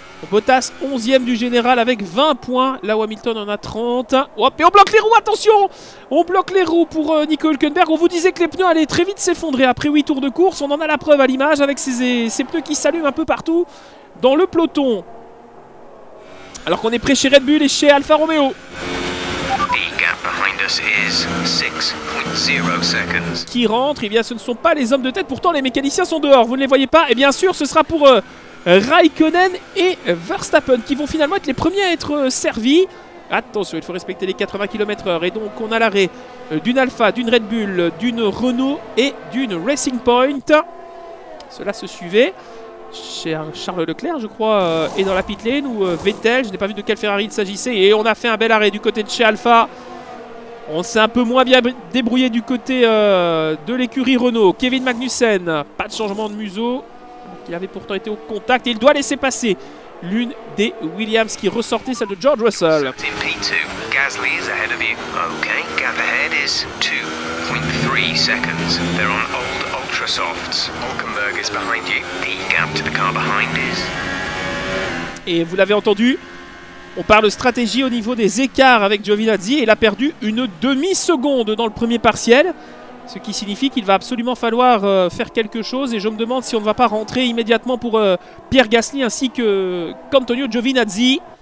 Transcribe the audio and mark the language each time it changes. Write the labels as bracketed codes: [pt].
[fr] Bottas 11e du général avec 20 points. Là où Hamilton en a 30. Hop, et on bloque les roues, attention! On bloque les roues pour Nico Hülkenberg. On vous disait que les pneus allaient très vite s'effondrer après 8 tours de course. On en a la preuve à l'image avec ces pneus qui s'allument un peu partout dans le peloton. Alors qu'on est près chez Red Bull et chez Alfa Romeo. [en] The gap behind us is 6.0 seconds. [fr] Qui rentre? Eh bien, ce ne sont pas les hommes de tête. Pourtant, les mécaniciens sont dehors. Vous ne les voyez pas? Et bien sûr, ce sera pour Raikkonen et Verstappen qui vont finalement être les premiers à être servis. Attention, il faut respecter les 80 km/h. Et donc on a l'arrêt d'une Alpha, d'une Red Bull, d'une Renault et d'une Racing Point. Cela se suivait. Cher Charles Leclerc, je crois, est dans la pit lane ou Vettel. Je n'ai pas vu de quel Ferrari il s'agissait. Et on a fait un bel arrêt du côté de chez Alpha. On s'est un peu moins bien débrouillé du côté de l'écurie Renault. Kevin Magnussen, pas de changement de museau. Il avait pourtant été au contact et il doit laisser passer l'une des Williams qui ressortait celle de George Russell. [en] In P2, Gasly is ahead of you. Okay, gap ahead is 2.3 seconds. They're on old ultra softs. Hülkenberg is behind you. The gap to the car behind is. [fr] Et vous l'avez entendu, on parle stratégie au niveau des écarts avec Giovinazzi. Il a perdu une demi-seconde dans le premier partiel, ce qui signifie qu'il va absolument falloir faire quelque chose. Et je me demande si on ne va pas rentrer immédiatement pour Pierre Gasly ainsi que Antonio Giovinazzi.